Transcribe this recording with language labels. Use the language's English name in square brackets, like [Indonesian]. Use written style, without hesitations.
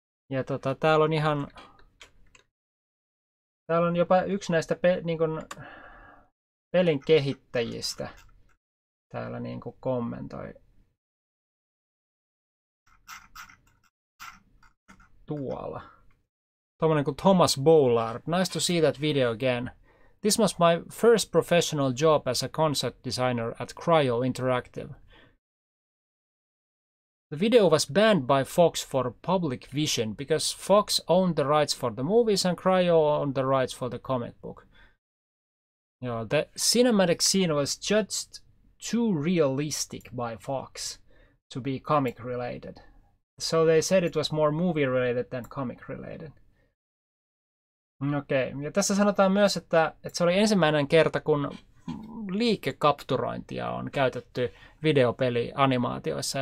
[Finnish] Ja tota, täällä on jopa yksi näistä pelin kehittäjistä täällä niin kuin kommentoi. Tuolla. Tuommoinen kuin Thomas Bollard. [English] Nice to see that video again. This was my first professional job as a concept designer at Cryo Interactive. The video was banned by Fox for public vision because Fox owned the rights for the movies and Cryo owned the rights for the comic book. You know, the cinematic scene was judged too realistic by Fox to be comic related. So they said it was more movie related than comic related. [Finnish] Okei, okay. Ja tässä sanotaan myös, että se oli ensimmäinen kerta, kun liikekapturointia on käytetty videopelianimaatioissa.